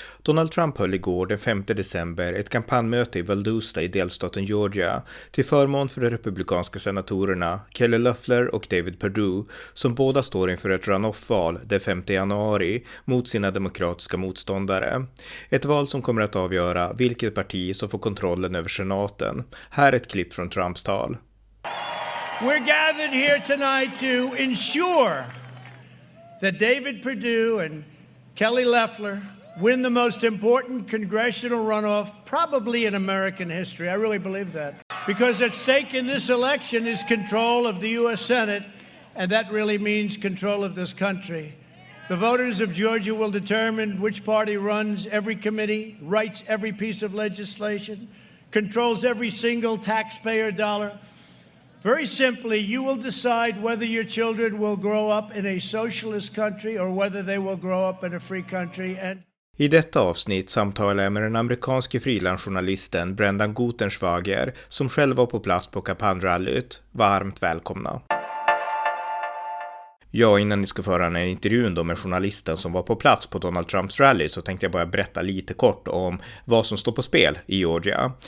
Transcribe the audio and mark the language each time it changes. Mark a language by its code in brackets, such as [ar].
[sv] Donald Trump höll igår den 5 december ett kampanjmöte i Valdosta i delstaten Georgia till förmån för de republikanska senatorerna Kelly Loeffler och David Perdue, som båda står inför ett runoff-val den 5 januari mot sina demokratiska motståndare. Ett val som kommer att avgöra vilket parti som får kontrollen över senaten. Här är ett klipp från Trumps tal. [en] We're gathered here tonight to ensure that David Perdue and Kelly Loeffler win the most important congressional runoff probably in American history. I really believe that. Because at stake in this election is control of the US Senate, and that really means control of this country. The voters of Georgia will determine which party runs every committee, writes every piece of legislation, controls every single taxpayer dollar. Very simply, you will decide whether your children will grow up in a socialist country or whether they will grow up in a free country. And [sv] i detta avsnitt samtalar jag med den amerikanske frilansjournalisten Brendan Gutenschwager, som själv var på plats på kampanjrallyt. Varmt välkomna. Ja, innan ni ska föra en intervju med journalisten som var på plats på Donald Trumps rally, så tänkte jag bara berätta lite kort om vad som står på spel i Georgia.